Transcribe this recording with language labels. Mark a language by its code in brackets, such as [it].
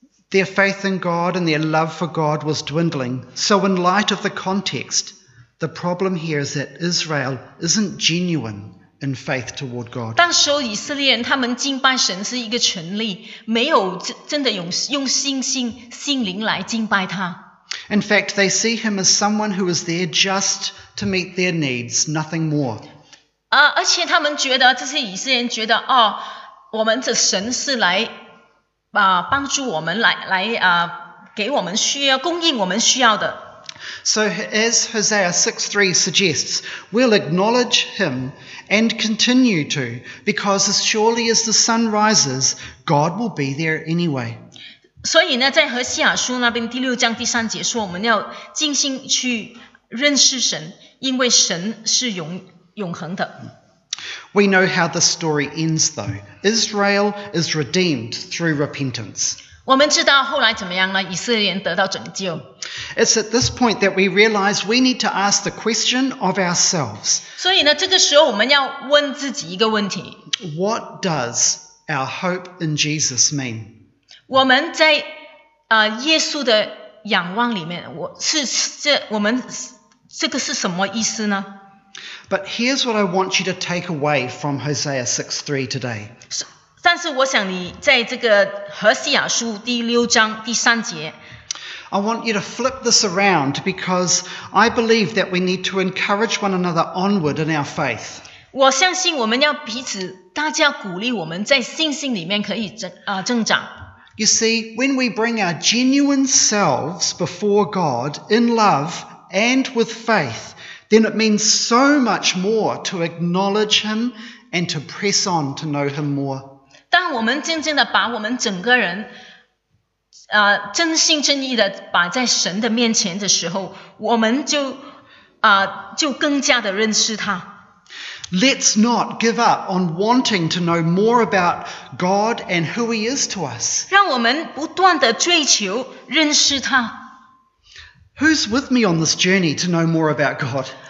[en] Their faith in God and their love for God was dwindling. So in light of the context, the problem here is that Israel isn't genuine in faith toward God. [zh] 当时候以色列人他们敬拜神是一个权力，没有真的用心灵来敬拜他。 [en] In fact, they see him as someone who is there just to meet their needs, nothing more. [zh] 而且他们觉得这些以色列人觉得我们的神是来帮助我们来给我们需要供应我们需要的。 [en] So as Hosea 6:3 suggests, we'll acknowledge him and continue to, because as surely as the sun rises, God will be there anyway. [zh] 所以呢，在何西亚书那边第六章第三节说，我们要尽心去认识神，因为神是永恒的。 [en] We know how the story ends, though. Israel is redeemed through repentance. [zh] 我们知道后来怎么样呢？以色列人得到拯救。 [en] It's at this point that we realize we need to ask the question of ourselves. [zh] 所以呢，这个时候我们要问自己一个问题。 [en] What does our hope in Jesus mean? [zh] 我们在耶稣的仰望里面，我们这个是什么意思呢？ [en] But here's what I want you to take away from Hosea 6:3 today. [zh] 但是我想你在这个何西亚书第六章第三节。 [en] I want you to flip this around because I believe that we need to encourage one another onward in our faith. [zh] 我相信我们要彼此大家鼓励我们在信心里面可以增长。 [en] You see, when we bring our genuine selves before God in love and with faith, then it means so much more to acknowledge Him and to press on to know Him more. [zh] 当我们真正的把我们整个人真心真意的摆在神的面前的时候，我们就更加的认识他。 [en] Let's not give up on wanting to know more about God and who He is to us. [zh] 让我们不断的追求认识他。 [en] Who's with me on this journey to know more about God?